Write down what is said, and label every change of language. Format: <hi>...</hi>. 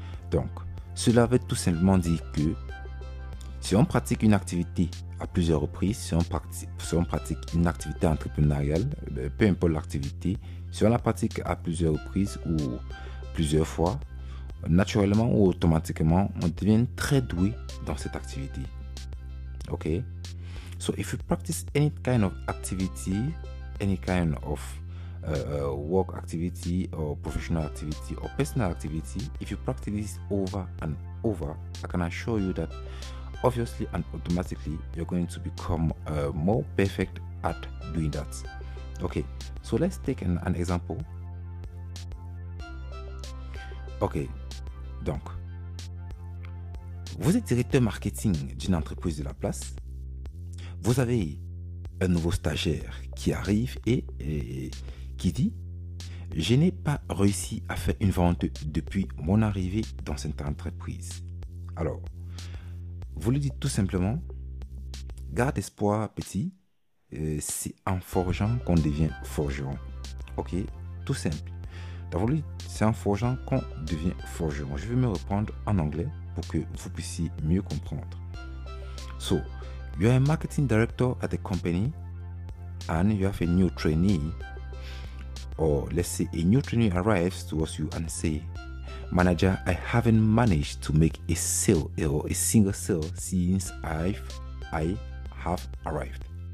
<fr>Donc, cela veut tout simplement dire que si on pratique une activité à plusieurs reprises, si on pratique une activité entrepreneuriale, peu importe l'activité, si on la pratique à plusieurs reprises ou plusieurs fois, naturellement ou automatiquement, on devient très doué dans cette activité. Ok?</fr> <en>So, if you practice any kind of activity, any kind of work activity or professional activity or personal activity, if you practice this over and over, I can assure you that obviously and automatically you're going to become more perfect at doing that. Okay, so let's take an example.</en> <fr>Okay, donc vous êtes directeur marketing d'une entreprise de la place, vous avez un nouveau stagiaire qui arrive et qui dit, je n'ai pas réussi à faire une vente depuis mon arrivée dans cette entreprise. Alors, vous lui dites tout simplement, garde espoir petit, c'est en forgeant qu'on devient forgeron. Ok, tout simple. Donc, vous lui dites, c'est en forgeant qu'on devient forgeron. Je vais me reprendre en anglais pour que vous puissiez mieux comprendre.</fr> <en>So, you are a marketing director at the company and you have a new trainee, or let's say a new trainee arrives towards you and say, manager, I haven't managed to make a sale or a single sale since I have arrived.</en>